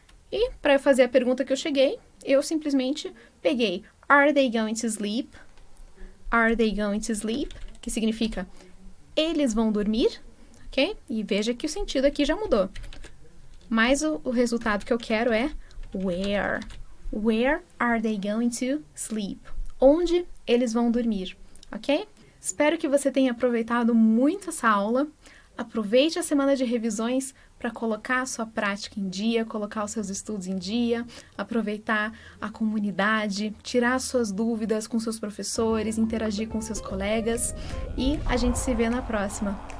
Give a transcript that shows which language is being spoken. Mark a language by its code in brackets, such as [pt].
[pt] E para fazer a pergunta que eu cheguei, eu simplesmente peguei [en] Are they going to sleep? Are they going to sleep? [pt] Que significa eles vão dormir, [en] ok? [pt] E veja que o sentido aqui já mudou. Mas o resultado que eu quero é where. [en] Where are they going to sleep? [pt] Onde eles vão dormir, ok? Espero que você tenha aproveitado muito essa aula. Aproveite a semana de revisões para colocar a sua prática em dia, colocar os seus estudos em dia, aproveitar a comunidade, tirar suas dúvidas com seus professores, interagir com seus colegas. E a gente se vê na próxima.